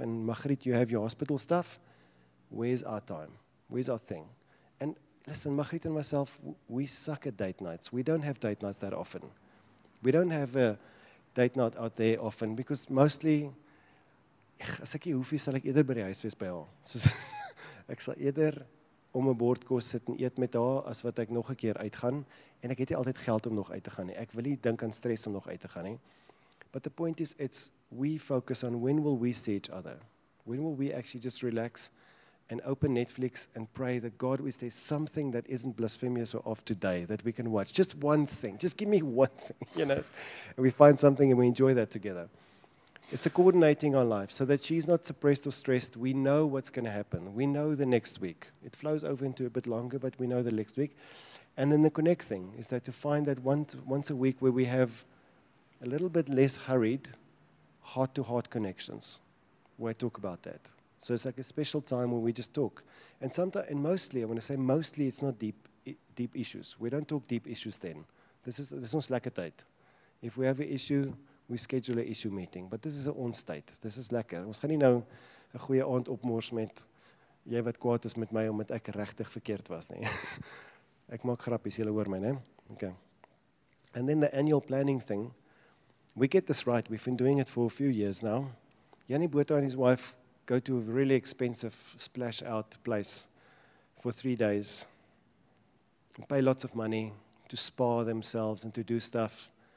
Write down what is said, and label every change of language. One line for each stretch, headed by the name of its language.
English: And Margriet, you have your hospital stuff. Where's our time? Where's our thing? Listen, Margriet and myself, we suck at date nights. We don't have date nights that often. We don't have a date night out there often because mostly,
Afrikaans: as ek hoef jy, sal ek eerder by die huis wees by haar. So, ek sal eerder om 'n bord kos sit en eet met haar as wat ek nog 'n keer uitgaan. En ek het nie altyd geld om nog uit te gaan nie. Ek wil nie dink aan stres om nog uit te gaan nie.
English: But the point is, it's we focus on when will we see each other? When will we actually just relax and open Netflix and pray that God, is there something that isn't blasphemous or off today that we can watch? Just one thing. Just give me one thing, you know. And we find something and we enjoy that together. It's a coordinating our life so that she's not suppressed or stressed. We know what's going to happen. We know the next week. It flows over into a bit longer, but we know the next week. And then the connect thing is that to find that once a week where we have a little bit less hurried heart-to-heart connections. Where I talk about that. So it's like a special time when we just talk. And sometimes, and mostly, I want to say mostly, it's not deep issues. We don't talk deep issues then. This is not slack a date. If we have an issue, we schedule an issue meeting. But this is a
Afrikaans: ons tyd.
English: This is lekker.
Afrikaans: Ons gaan nie nou 'n goeie aand opmors met jy wat kwaad is met my omdat ek regtig verkeerd was nie. Ek maak grappies, julle hoor my, né? Okay.
English: And then the annual planning thing. We get this right. We've been doing it for a few years now. Jannie Botha and his wife go to a really expensive splash-out place for 3 days, pay lots of money to spa themselves and to do stuff.